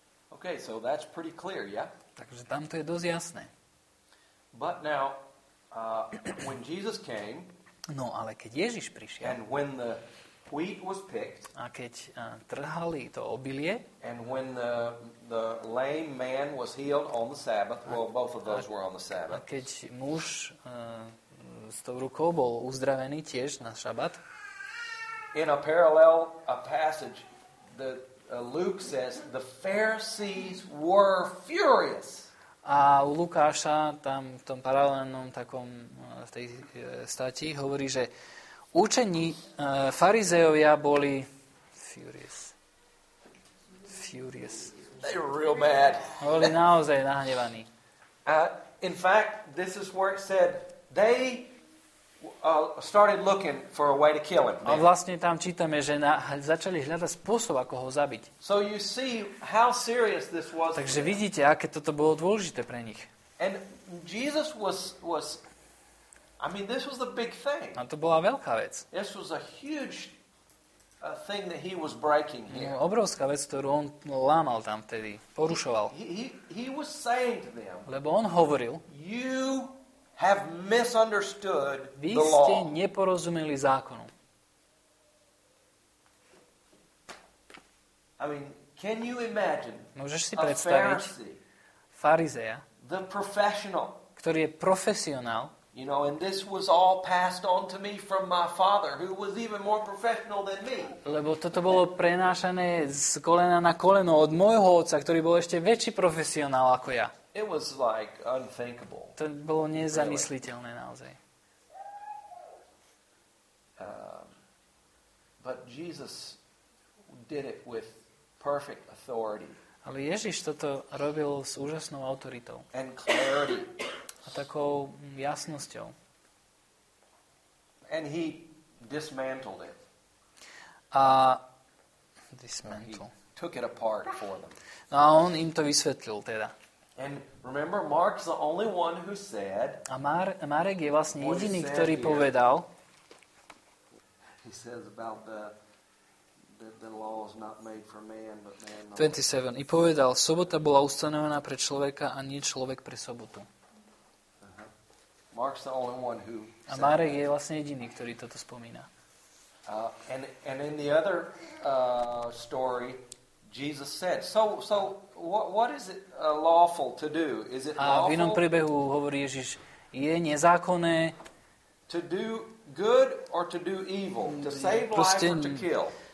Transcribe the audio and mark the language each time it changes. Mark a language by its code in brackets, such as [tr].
[en] Okay, so that's pretty clear, yeah? [sk] Takže tam to je dosť jasné. [en] But now, when Jesus came, [sk] No, ale keď Ježiš prišiel. [en] And when the wheat was picked. [sk] A keď trhali to obilie. [en] And when the lame man was healed on the Sabbath. Well, both of those were on the Sabbath. [sk] A keď muž s tou rukou bol uzdravený tiež na šabat. [en] In a parallel a passage that Luke says the Pharisees were furious. [sk] A u Lukáša tam v tom paralelnom takom v tej stati hovorí, že učení farizejovia boli furious. [en] They were real mad. [sk] Boli naozaj nahnevaní. [en] In fact, this is where it said they started looking for a way to kill him. [sk] A vlastne tam čítame, že začali hľadať spôsob, ako ho zabiť. [en] So you see how serious this was. [sk] Takže vidíte, aké toto bolo dôležité pre nich. [en] And Jesus was I mean, this was the big thing. [sk] A to bola veľká vec. [en] This was a huge thing that he was breaking here. No, [sk] obrovská vec, ktorú on lámal tam vtedy, porušoval. [en] He was saying to them. [sk] Lebo on hovoril, [en] you have misunderstood the law. [sk] Vy ste neporozumeli zákonu. [en] I mean, can you imagine? [sk] Môžeš si predstaviť farizeja, [en] the professional, [sk] ktorý je profesionál. [en] You know, and this was all passed on to me from my father, who was even more professional than me. [sk] Lebo toto bolo prenášané z kolena na koleno od môjho otca, ktorý bol ešte väčší profesionál ako ja. [en] It was like unthinkable. [sk] To bolo nezamysliteľné naozaj. [en] But Jesus did it with perfect authority. [sk] Ale Ježiš toto robil s úžasnou autoritou. [en] And clarity. [sk] A takou jasnosťou. [en] And he dismantled it. Dismantled. He took it apart for them. [sk] No, a on im to vysvetlil teda. [en] And remember, Mark's the only one who said. [sk] A Marek je vlastne jediný, ktorý povedal. [en] He says about the law is not made for man, but man. 27. [sk] I povedal, sobota bola ustanovená pre človeka a nie človek pre sobotu. [en] Mark's the only one who. [sk] A Marek je vlastne jediný, ktorý toto spomína. [en] And in the other story, Jesus said, so what is it lawful to do? Is it lawful? [sk] A v inom príbehu hovorí Ježiš, je nezákonné [en] to do good or to do evil, to save life or to kill.